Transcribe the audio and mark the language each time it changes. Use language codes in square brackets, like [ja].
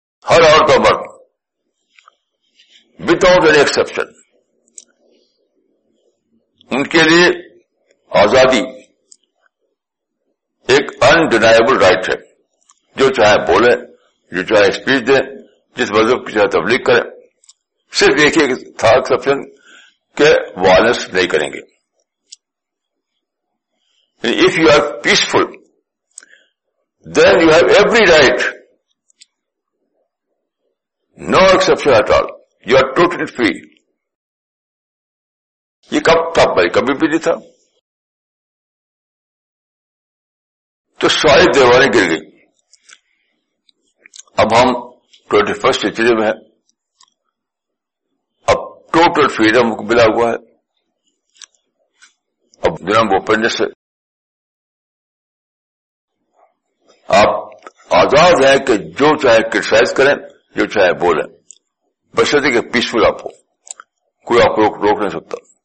[ur] ہر عورت اور مرد [en] without any exception [ur] ان کے لیے آزادی ایک [en] undeniable right [ur] ہے. جو چاہے بولے, جو چاہے اسپیچ دیں, جس مذہب کی چاہے تبلیغ کریں, صرف ایک ہی تھا ایکسپشن کہ وائلنس نہیں کریں گے. [en] If you are peaceful, then you have every right, no exception at all, you are totally free. [ur] یہ کب تھا بھائی؟ کبھی بھی نہیں تھا. تو ساری دیواریں گر گئی. اب ہم 21st century میں ہیں, اب [en] total freedom [ur] ملا ہوا ہے, اب جنم اوپنس ہے, آپ آزاد ہیں کہ جو چاہے کرٹیسائز کریں, جو چاہے بولیں, بشرطے کہ پیسفل آپ ہو, کوئی آپ کو روک نہیں سکتا.